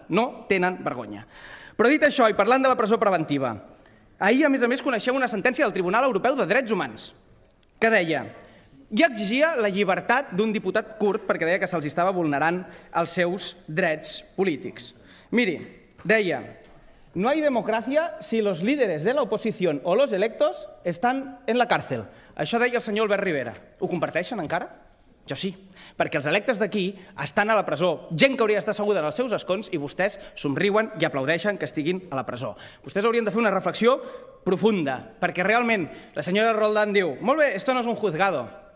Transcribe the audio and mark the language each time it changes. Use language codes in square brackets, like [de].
[ca] No tenen vergonya. Però dit això, i parlant de la presó preventiva, ahir a més coneixem una sentència del Tribunal Europeu de Drets Humans. Què deia? Ja exigia la llibertat d'un diputat kurd perquè deia que se'ls estava vulnerant els seus drets polítics. Miri, deia, [es] no hay democracia si los líderes de la oposición o los electos están en la cárcel. [ca] Això deia el senyor Albert Rivera. Ho comparteixen encara? Jo sí, perquè els electes d'aquí estan a la presó, gent que hauria d'estar asseguda en els seus escons i vostès somriuen i aplaudeixen que estiguin a la presó. Vostès haurien de fer una reflexió profunda, perquè realment la senyora Roldán diu molt bé, [es] esto no es un juzgado.